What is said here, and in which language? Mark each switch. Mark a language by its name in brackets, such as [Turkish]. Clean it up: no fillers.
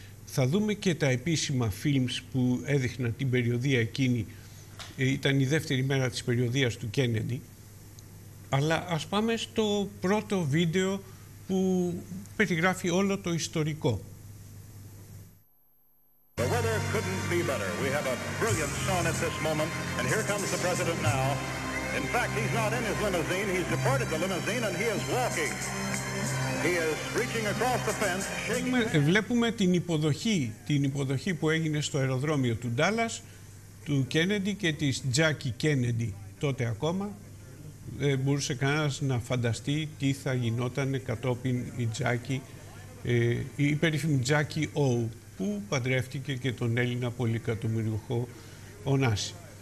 [Greek] Θα δούμε και τα επίσημα φιλμς που έδειχναν την περιοδία εκείνη. Ήταν η δεύτερη μέρα της περιοδίας του Κένεντι. Αλλά ας πάμε στο πρώτο βίντεο που περιγράφει όλο το ιστορικό. [English] The weather couldn't be better. We have a brilliant sun at this moment, and here comes the president now. In fact, he's not in his limousine. He's departed the limousine, and he is walking. He is reaching across the fence. [Greek] Βλέπουμε την υποδοχή που έγινε στο αεροδρόμιο του Ντάλλας, του Κένεντι και της Τζάκι Κένεντι τότε ακόμα. Δεν μπορούσε κανένας να φανταστεί τι θα γινόταν κατόπιν η Τζάκι, η περίφημη Τζάκι Ο, που παντρεύτηκε και τον Έλληνα πολυεκατομμυριούχο Ωνάση.